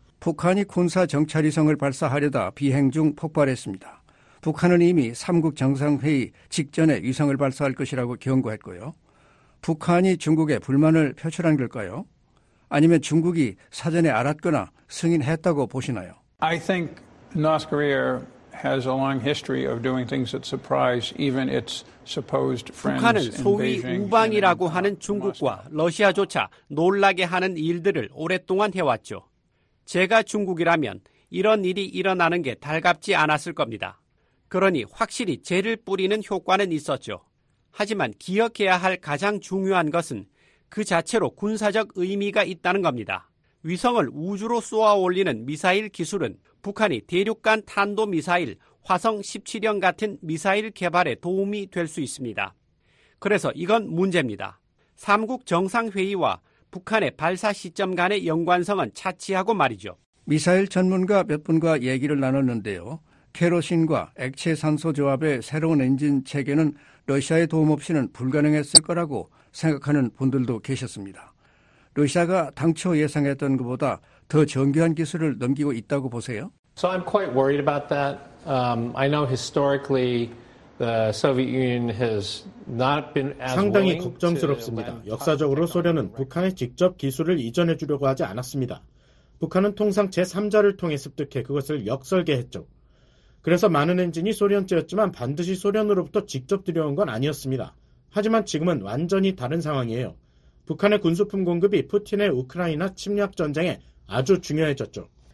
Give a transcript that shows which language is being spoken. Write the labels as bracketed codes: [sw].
[ko] 북한이 군사 정찰위성을 발사하려다 비행 중 폭발했습니다. 북한은 이미 3국 정상회의 직전에 위성을 발사할 것이라고 경고했고요. 북한이 중국에 불만을 표출한 걸까요? 아니면 중국이 사전에 알았거나 승인했다고 보시나요? [en] I think North Korea has a long history of doing things that surprise even its supposed friends. [ko] 북한은 소위 우방이라고 하는 중국과 러시아조차 놀라게 하는 일들을 오랫동안 해왔죠. 제가 중국이라면 이런 일이 일어나는 게 달갑지 않았을 겁니다. 그러니 확실히 죄를 뿌리는 효과는 있었죠. 하지만 기억해야 할 가장 중요한 것은 그 자체로 군사적 의미가 있다는 겁니다. 위성을 우주로 쏘아올리는 미사일 기술은 북한이 대륙간 탄도미사일 화성 17형 같은 미사일 개발에 도움이 될 수 있습니다. 그래서 이건 문제입니다. 3국 정상회의와 북한의 발사 시점 간의 연관성은 차치하고 말이죠. 미사일 전문가 몇 분과 얘기를 나눴는데요. 케로신과 액체 산소 조합의 새로운 엔진 체계는 러시아의 도움 없이는 불가능했을 거라고 생각하는 분들도 계셨습니다. 러시아가 당초 예상했던 것보다 더 정교한 기술을 넘기고 있다고 보세요? [en] So I'm quite worried about that. I know historically the Soviet Union has not been as willing. [ko] 상당히 걱정스럽습니다. 역사적으로 소련은 북한에 직접 기술을 이전해 주려고 하지 않았습니다. 북한은 통상 제3자를 통해 습득해 그것을 역설계했죠. 그래서 많은 엔진이 소련제였지만 반드시 소련으로부터 직접 들여온 건 아니었습니다. 하지만 지금은 완전히 다른 상황이에요. 북한의 군수품 공급이 푸틴의 우크라이나 침략 전쟁에 아주 중요해졌죠.